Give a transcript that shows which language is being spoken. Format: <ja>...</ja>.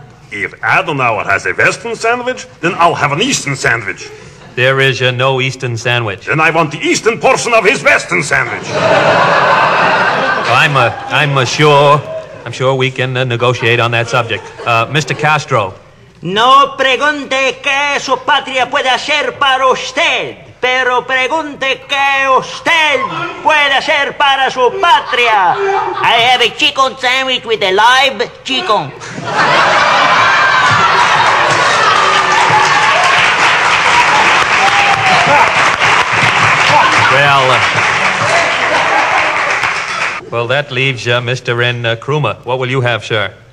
<en>If Adenauer has a Western sandwich, then I'll have an Eastern sandwich. There is no Eastern sandwich. Then I want the Eastern portion of his Western sandwich. I'm sure we can negotiate on that subject. Mr. Castro.</en> <es>No pregunte qué su patria puede hacer para usted. Pero pregunte qué usted puede hacer para su patria.</es> <en>I have a chicken sandwich with a live chicken. Well, that leaves you, Mr. Nkrumah. What will you have, sir?</en>